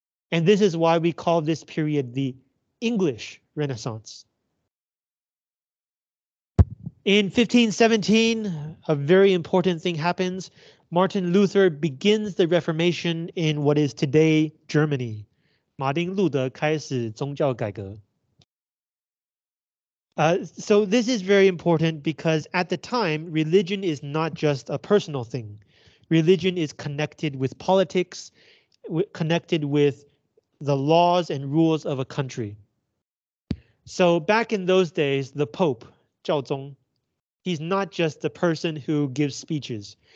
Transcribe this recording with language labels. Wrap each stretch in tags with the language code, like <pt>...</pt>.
<en>And this is why we call this period the English Renaissance. In 1517, a very important thing happens. Martin Luther begins the Reformation in what is today Germany.</en> <zh>马丁路德开始宗教改革.</zh> <en>So this is very important because at the time, religion is not just a personal thing. Religion is connected with politics, connected with the laws and rules of a country. So back in those days, the Pope, 教宗, he's not just the person who gives speeches.</en>